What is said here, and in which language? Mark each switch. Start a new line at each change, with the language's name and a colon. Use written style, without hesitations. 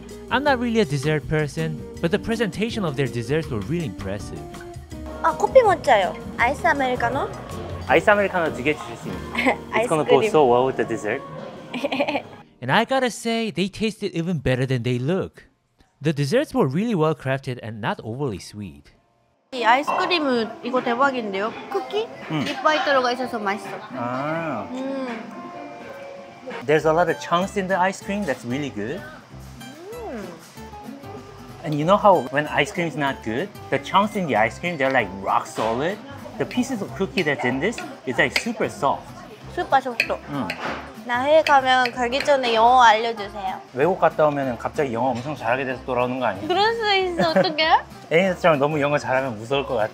English: I'm not really a dessert person, but the presentation of their desserts were really impressive.
Korean: 아, 커피 먼저요. 아이스 아메리카노? 아이스 아메리카노 두 개 주실 수 있나요?
English: It's gonna go so well with the dessert. And I gotta say, they tasted even better than they look. The desserts were really well crafted and not overly sweet.
Korean: 이 아이스크림은 이거 대박인데요? 쿠키? 이빠이 들어가 있어서 맛있어. 아.
English: There's a lot of chunks in the ice cream. That's really good. And you know how when ice cream is not good, the chunks in the ice cream, they're like rock solid. The pieces of cookie that's in this is like super soft. Super soft.
Korean: 나 해외 가면 가기 전에 영어 알려주세요. 외국 갔다 오면 갑자기 영어 엄청 잘하게 돼서 돌아오는 거 아니야? 그럴 수 있어. 어떡해? 애니스처럼 너무 영어 잘하면 무서울 것 같아.